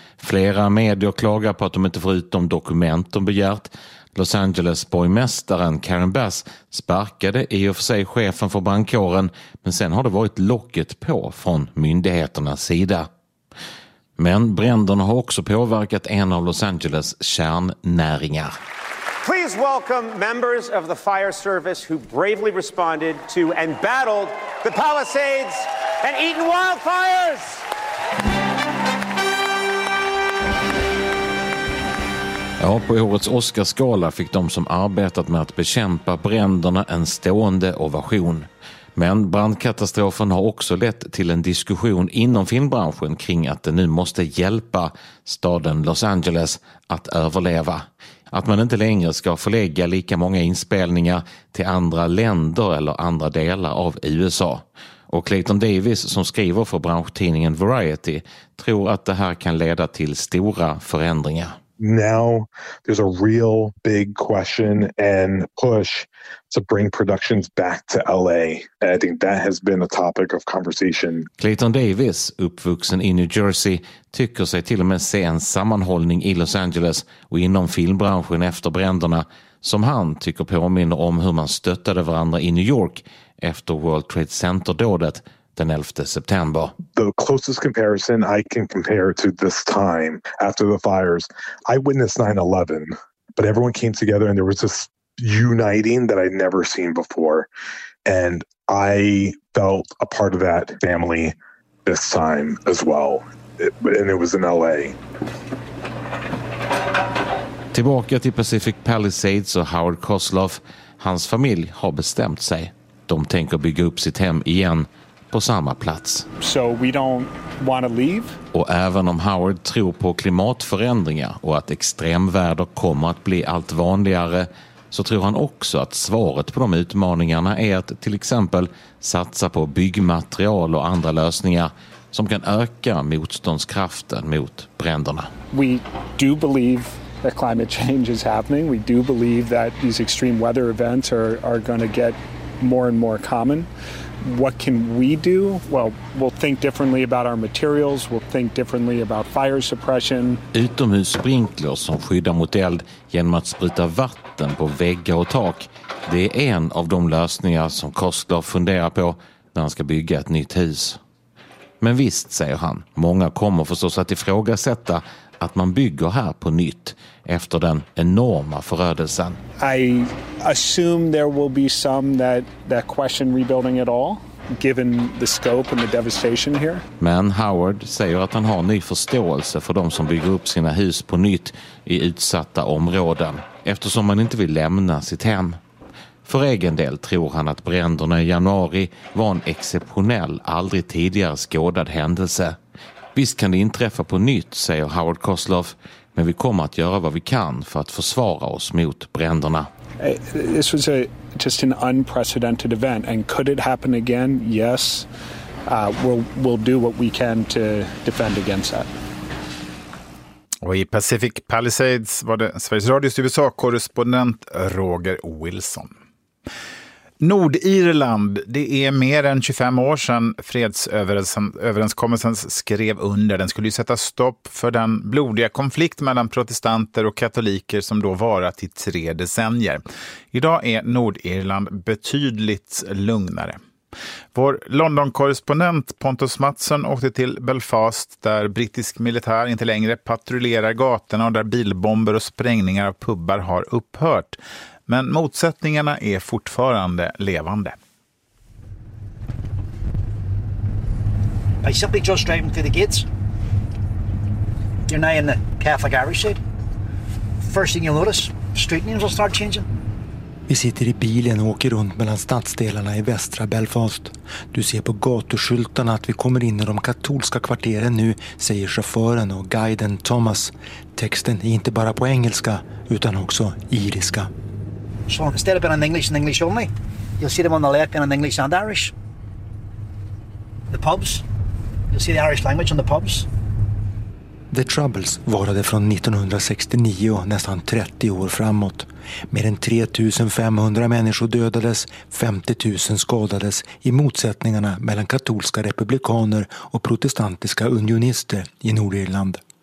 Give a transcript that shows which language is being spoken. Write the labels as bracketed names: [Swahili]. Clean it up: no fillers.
[Swedish] Flera medier klagar på att de inte får ut de dokument de begärt. Los Angeles-borgmästaren Karen Bass sparkade i och för sig chefen för brandkåren, men sen har det varit locket på från myndigheternas sida. Men bränderna har också påverkat en av Los Angeles kärnnäringar. [English] Please welcome members of the fire service who bravely responded to and battled the Palisades and Eaton wildfires! [Swedish] Ja, på årets Oscarsgala fick de som arbetat med att bekämpa bränderna en stående ovation. Men brandkatastrofen har också lett till en diskussion inom filmbranschen kring att det nu måste hjälpa staden Los Angeles att överleva. Att man inte längre ska förlägga lika många inspelningar till andra länder eller andra delar av USA. Och Clayton Davis, som skriver för branschtidningen Variety, tror att det här kan leda till stora förändringar. [English] Now there's a real big question and push to bring productions back to LA. And I think that has been a topic of conversation. [Swedish] Clayton Davis, uppvuxen i New Jersey, tycker sig till och med se en sammanhållning i Los Angeles och inom filmbranschen efter bränderna, som han tycker påminner om hur man stöttade varandra i New York efter World Trade Center-dådet den 11 september. [English] The closest comparison I can compare to this time after the fires, I witnessed 9/11, but everyone came together and there was this uniting that I'd never seen before, and I felt a part of that family this time as well. And it was in LA. [Swedish] Tillbaka till Pacific Palisades och Howard Kosloff. Hans familj har bestämt sig. De tänker bygga upp sitt hem igen på samma plats. [English] So we don't want to leave. [Swedish] Och även om Howard tror på klimatförändringar och att extremväder kommer att bli allt vanligare, så tror han också att svaret på de utmaningarna är att till exempel satsa på byggmaterial och andra lösningar som kan öka motståndskraften mot bränderna. [English] We do believe that climate change is happening. We do believe that these extreme weather events are going to get more and more common. What can we do? Well, we'll think differently about our materials. We'll think differently about fire suppression. [Swedish] Utomhussprinkler som skyddar mot eld genom att spruta vatten på väggar och tak. Det är en av de lösningar som Kostler funderar på när han ska bygga ett nytt hus. Men visst, säger han, många kommer förstås att ifrågasätta att man bygger här på nytt efter den enorma förödelsen. [English] I assume there will be some that question rebuilding at all, given the scope and the devastation here. [Swedish] Men Howard säger att han har ny förståelse för de som bygger upp sina hus på nytt i utsatta områden, eftersom man inte vill lämna sitt hem. För egen del tror han att bränderna i januari var en exceptionell, aldrig tidigare skådad händelse. Visst kan det inträffa på nytt, säger Howard Kosloff, men vi kommer att göra vad vi kan för att försvara oss mot bränderna. [English] This was just an unprecedented event, and could it happen again? Yes. We'll do what we can to defend against that. [Swedish] Och i Pacific Palisades var det Sveriges Radios USA-korrespondent Roger Wilson. Nordirland, det är mer än 25 år sedan fredsöverenskommelsen skrev under. Den skulle ju sätta stopp för den blodiga konflikt mellan protestanter och katoliker som då varat i 3 decennier. Idag är Nordirland betydligt lugnare. Vår London-korrespondent Pontus Mattsson åkte till Belfast där brittisk militär inte längre patrullerar gatorna och där bilbomber och sprängningar av pubbar har upphört. Men motsättningarna är fortfarande levande. [English] I simply just driving through the gates. You're now in the Catholic Irish side. First thing you'll notice, street names will start changing. [Swedish] Vi sitter i bilen och åker runt mellan stadsdelarna i västra Belfast. Du ser på gatuskyltarna att vi kommer in i de katolska kvarteren nu, säger chauffören och guiden Thomas. Texten är inte bara på engelska utan också iriska. [English] So instead of being in English and English only, you'll see them on the left being in English and Irish. The pubs, you'll see the Irish language on the pubs. [Swedish] The Troubles varade från 1969 och nästan 30 år framåt. Mer än 3500 människor dödades, 50 000 skadades i motsättningarna mellan katolska republikaner och protestantiska unionister i Nordirland.